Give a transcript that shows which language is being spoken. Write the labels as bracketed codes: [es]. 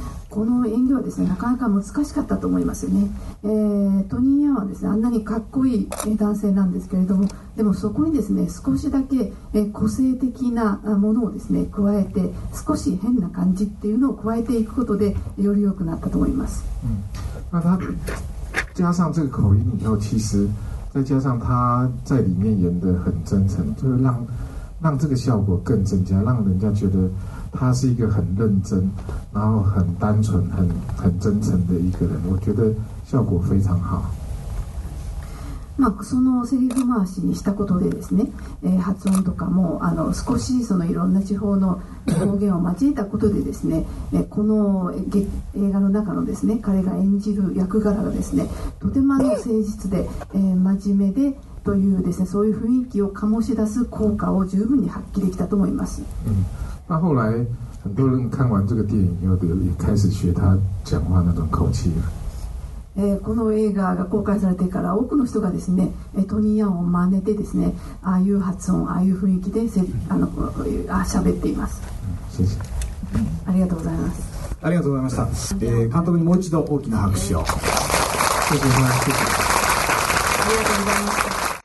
[ja] この演技はですね、なかなか難しかったと思いますよね。トニー・ヤンはですね、あんなにかっこいい男性なんですけれども、でもそこにですね、少しだけ個性的なものをですね加えて、少し変な感じっていうのを加えていくことでより良くなったと思います。 [zh] 那他加上这个口音以后，其实再加上他在里面演得很真诚，就是让这个效果更增加，让人家觉得他是一个很认真，然后很单纯、很真诚的一个人，我觉得效果非常好。 [ja] まあ、そのセリフ回しにしたことでですね、発音とかもあの少しそのいろんな地方の方言を交えたことでですね、この映画の中のですね、彼が演じる役柄がですね、とてもあの誠実で、真面目でというですね、そういう雰囲気を醸し出す効果を十分に発揮できたと思います。 [zh] 那后来很多人看完这个电影以后，也开始学他讲话那种口气。 [ja] この映画が公開されてから、多くの人がですね、トニー・ヤンを真似てですね、ああいう発音、ああいう雰囲気で喋っています。ありがとうございます。ありがとうございました。監督にもう一度大きな拍手を。ありがとうございました。